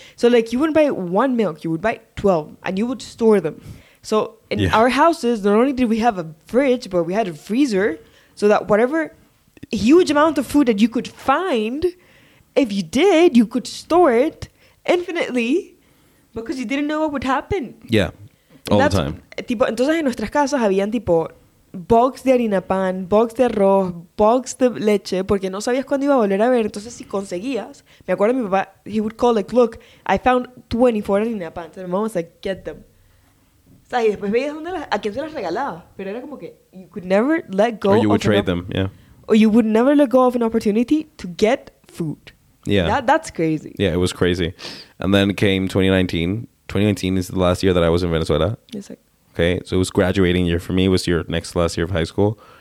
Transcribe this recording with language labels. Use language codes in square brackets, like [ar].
[en] So like you wouldn't buy one milk, you would buy 12 and you would store them. So in our houses, not only did we have a fridge, but we had a freezer so that whatever huge amount of food that you could find, if you did, you could store it infinitely because you didn't know what would happen. Yeah, all the time. [es] Tipo, entonces en nuestras casas habían tipo box de harina pan, box de arroz, box de leche, porque no sabías cuándo iba a volver a ver. Entonces si conseguías, me acuerdo mi papá, [en] he would call like, look, I found 24 harina pan. So my mom was like, get them. [es] O sea, y después veías a quién se las regalaba. Pero era como que, [en] you could never let go. Or you would trade them, yeah. Or you would never let go of an opportunity to get food. Yeah. That's crazy. Yeah, it was crazy. And then came 2019. 2019 is the last year that I was in Venezuela. Yes, sir. Okay, so it was graduating year for me. It was your next last year of high school.